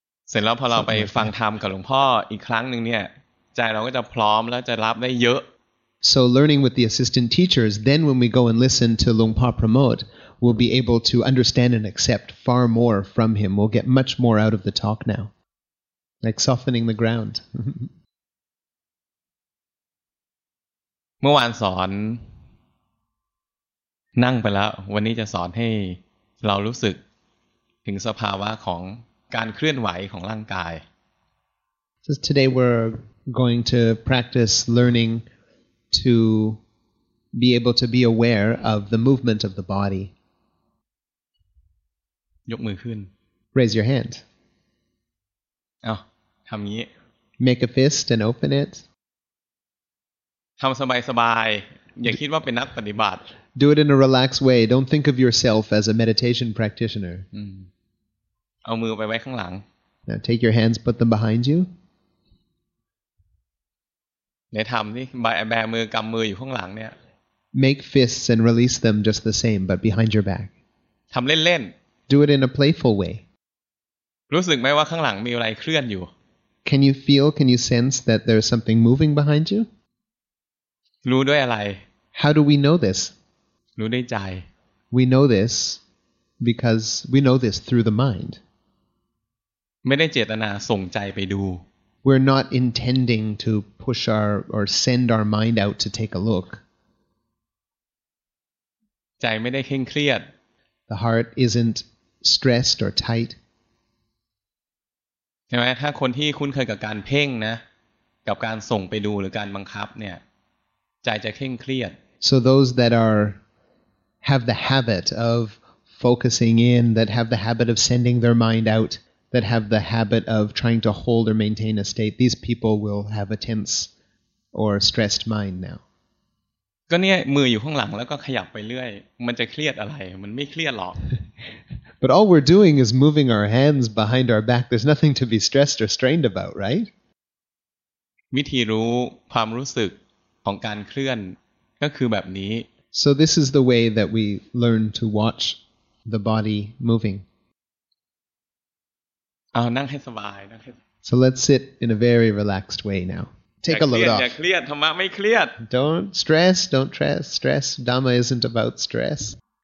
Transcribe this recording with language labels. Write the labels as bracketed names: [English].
[Thai] เสร็จแล้วพอเราไปฟังธรรมกับหลวงพ่ออีกครั้งนึงเนี่ยใจเราก็จะพร้อมแล้วจะรับได้เยอะ [English] so learning with the assistant teachers then when we go and listen to Longpa Pramod we'll be able to understand and accept far more from him. We'll get much more out of the talk now. Like softening the ground. [Thai] เมื่อวานสอนนั่งไปแล้ววันนี้จะสอนให้เรารู้สึกถึงสภาวะของการเคลื่อนไหวของร่างกาย [English] So today we're going to practice learning to be able to be aware of the movement of the body. [Thai] ยกมือขึ้น [English] raise your hand [Thai] เอาทำงี้ [English] make a fist and open it [Thai] ทำสบายสบายอย่าคิดว่าเป็นนักปฏิบัติ [English] do it in a relaxed way don't think of yourself as a meditation practitioner [Thai] เอามือไปไว้ข้างหลัง [English] now take your hands put them behind you [Thai] ในทำนี่แบมือกำมืออยู่ข้างหลังเนี่ย [English] make fists and release them just the same but behind your back [Thai] ทำเล่นๆ [English] Do it in a playful way. [Thai] รู้สึกไหมว่าข้างหลังมีอะไรเคลื่อนอยู่ [English] Can you feel? Can you sense that there's something moving behind you? [Thai] รู้ด้วยอะไร [English] How do we know this? [Thai] รู้ด้วยใจ [English] We know this because we know this through the mind. [Thai] ไม่ได้เจตนาส่งใจไปดู [English] We're not intending to push our or send our mind out to take a look. [Thai] ใจไม่ได้เคร่งเครียด [English] The heart isn't stressed or tight. [Thai] ใช่ไหมถ้าคนที่คุ้นเคยกับการเพ่งนะกับการส่งไปดูหรือการบังคับเนี่ยใจจะเคร่งเครียด [English] So those that are have the habit of focusing in, that have the habit of sending their mind out, that have the habit of trying to hold or maintain a state, these people will have a tense or stressed mind now. [Thai] ก็เนี่ยมืออยู่ข้างหลังแล้วก็ขยับไปเรื่อยมันจะเครียดอะไรมันไม่เครียดหรอก [English] But all we're doing is moving our hands behind our back. There's nothing to be stressed or strained about, right? [Thai] วิธีรู้ความรู้สึกของการเคลื่อนก็คือแบบนี้ [English] So this is the way that we learn to watch the body moving. [Thai] เอานั่งให้สบายนะครับ [English] So let's sit in a very relaxed way now. Take a load off. Don't stress, don't stress. Dhamma isn't about stress.